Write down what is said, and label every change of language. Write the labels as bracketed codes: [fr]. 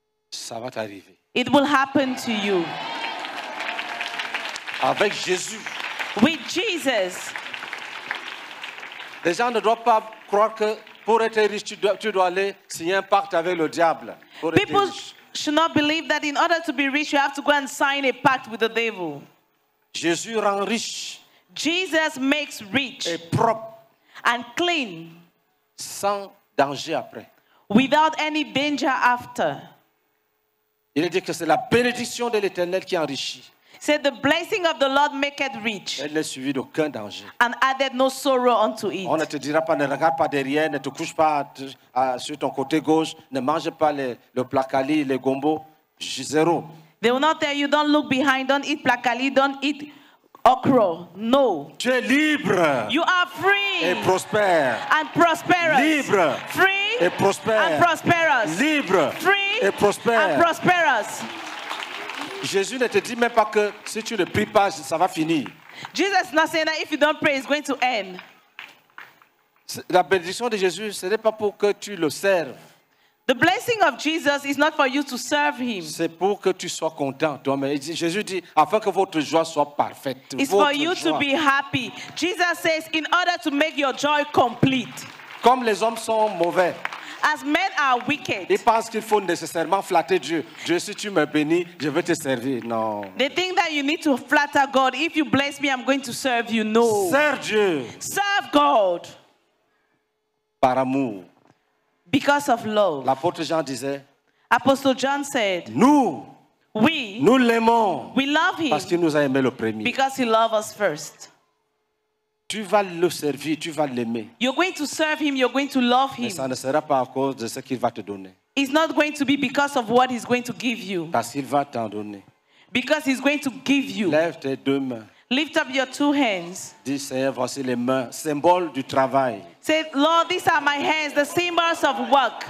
[fr] Ça va t'arriver. [en] It will happen to you. [fr] Avec Jésus. [en] With Jesus. [fr] Les gens ne doivent pas croire que pour être riche, tu dois aller signer un pacte avec le diable. [en] People should not believe that in order to be rich, you have to go and sign a pact with the devil. [fr] Jésus rend riche. [en] Jesus makes rich. [fr] Et propre. [en] And clean. [fr] Sans danger après. [en] Without any danger after. [fr] Il dit que c'est la bénédiction de l'Éternel qui enrichit. [en] Said the blessing of the Lord maketh rich. [fr] Elle n'est suivie d'aucun danger. [en] And added no sorrow unto it. [fr] On ne te dira pas, ne regarde pas derrière, ne te couche pas sur ton côté gauche, ne mange pas le plakali, les gombos, zéro. [en] They will not tell you, don't look behind, don't eat plakali, don't eat okra, no. [fr] Tu es libre. [en] You are free. [fr] Et prospère. [en] And prosperous. [fr] Libre. [en] Free. [fr] Et prospère. [en] And prosperous. [fr] Libre. [en] Free. [fr] Et prospère. [en] And prosperous. [fr] Jésus ne te dit même pas que si tu ne pries pas, ça va finir. [en] Jesus is not saying that if you don't pray, it's going to end. [fr] La bénédiction de Jésus, ce n'est pas pour que tu le serves. [en] The blessing of Jesus is not for you to serve him. [fr] C'est pour que tu sois content. Jésus dit, afin que votre joie soit parfaite. [en] It's for you to be happy. Jesus says, in order to make your joy complete. [fr] Comme les hommes sont mauvais. [en] As men are wicked. [fr] Ils pensent qu'il faut nécessairement flatter Dieu. Dieu, si tu me bénis, je vais te servir. Non. [en] They think that you need to flatter God. If you bless me, I'm going to serve you. No. [fr] Serve Dieu. [en] Serve God. [fr] Par amour. [en] Because of love. [fr] L'apôtre Jean disait. [en] Apostle John said. [fr] Nous. [en] We. [fr] Nous l'aimons. [en] We love him. [fr] Parce qu'il nous a aimé le premier. [en] Because he loved us first. [fr] Tu vas le servir, tu vas l'aimer. [en] You're going to serve him, you're going to love him. [fr] Mais ça ne sera pas à cause de ce qu'il va te donner. [en] It's not going to be because of what he's going to give you. [fr] Parce qu'il va t'en donner. [en] Because he's going to give you. [fr] Lève tes deux mains. [en] Lift up your two hands. [fr] Dis, Seigneur, voici les mains, symbole du travail. [en] Say, Lord, these are my hands, the symbols of work.